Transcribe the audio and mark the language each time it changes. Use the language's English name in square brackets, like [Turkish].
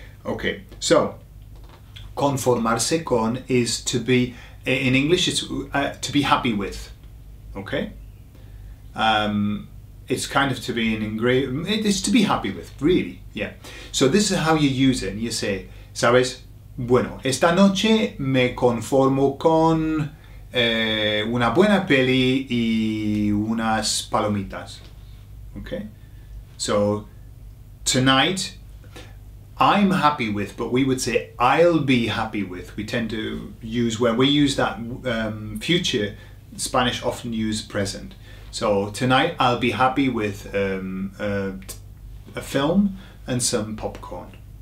[English] Okay, so, conformarse con is to be, in English, it's to be happy with, okay? It's kind of to be an engraved, it's to be happy with, really, yeah. So this is how you use it, and you say, ¿sabes? [Spanish] Bueno, esta noche me conformo con una buena peli y unas palomitas. [English] Okay? So, tonight, I'm happy with, but we would say I'll be happy with. We tend to use, when we use that future, Spanish often use present. So, tonight I'll be happy with a film and some popcorn.